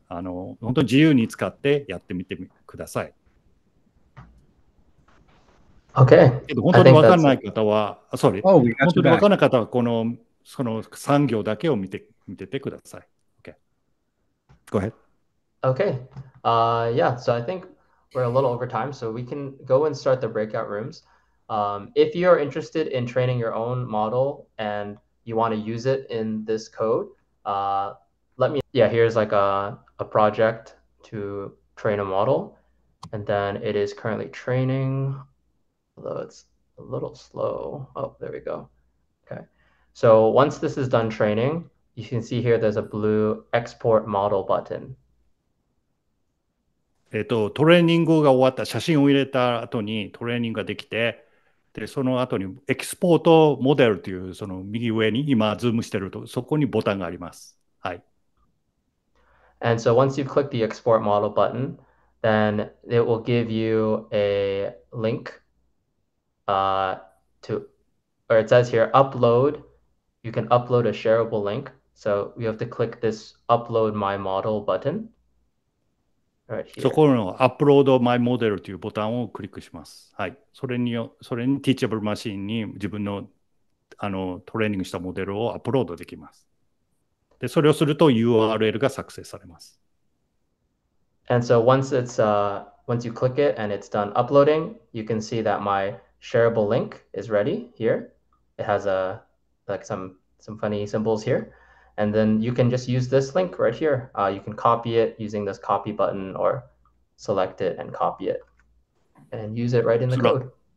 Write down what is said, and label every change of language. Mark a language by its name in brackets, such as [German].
[Japanese] 本当に自由に使ってやってみてください。 [English] Okay. [Japanese] 本当に分からない方は、sorry、 [English] oh, we got [Japanese] you 本当に分からない方はこのその産業だけを見ててください。 [English] Okay. Go ahead. Okay. Yeah. So I think we're a little over time, so we can go and start the breakout rooms. If you are interested in training your own model and you want to use it in this code, let me. Yeah. Here's like a project to train a model, and then it is currently training. Although it's a little slow. Oh, there we go. Okay. So once this is done training, you can see here there's a blue export model button. [Japanese] トレーニングが終わった写真を入れた後にトレーニングができて、でその後にエキスポートモデルというその右上に今ズームしてるとそこにボタンがあります。はい。 [English] And so once you've clicked the export model button, then it will give you a link. Or it says here upload. You can upload a shareable link. So you have to click this upload my model button. Right here. [Japanese] そこの upload my model というボタンをクリックします。はい。それに teachable machine に自分のトレーニングしたモデルをアップロードできます。で、それをすると URL が作成されます。 [English] And so once it's once you click it and it's done uploading, you can see that myShareable link is ready here. It has a like some funny symbols here, and then you can just use this link right here. You can copy it using this copy button or select it and copy it and use it right in the code.